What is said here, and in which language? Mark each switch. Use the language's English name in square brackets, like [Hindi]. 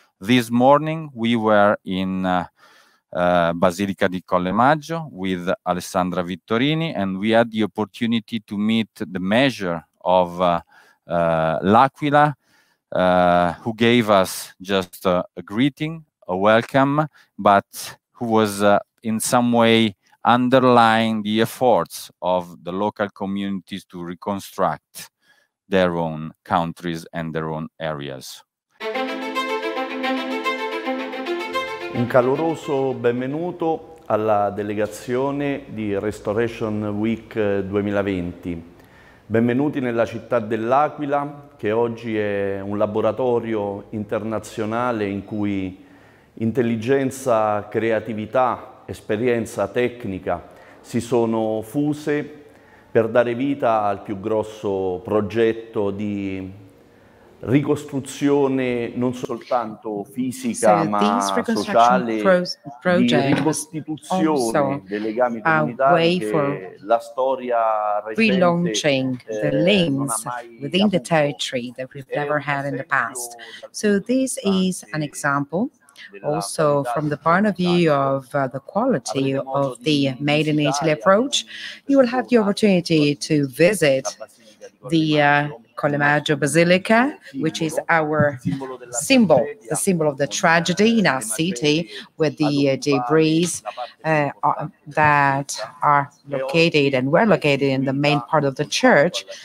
[English] This morning we were in Basilica di Collemaggio with Alessandra Vittorini, and we had the opportunity to meet the mayor of L'Aquila, who gave us just a greeting, a welcome, but who was in some way underlying the efforts of the local communities to reconstruct their own countries and their own areas. [Italian] Un caloroso benvenuto alla delegazione di Restoration Week 2020. Benvenuti nella città dell'Aquila, che oggi è un laboratorio internazionale in cui intelligenza, creatività, esperienza tecnica si sono fuse per dare vita al più grosso progetto di ricostruzione non soltanto fisica ma sociale, di ricostituzione dei legami comunitari che la storia recente [English] the links within the territory that we've never had in the past. So this is an example also from the point of view of the quality of the Made in Italy approach. You will have the opportunity to visit the Collemaggio Basilica, which is our symbol, the symbol of the tragedy in our city, with the debris that are located and were located in the main part of the church.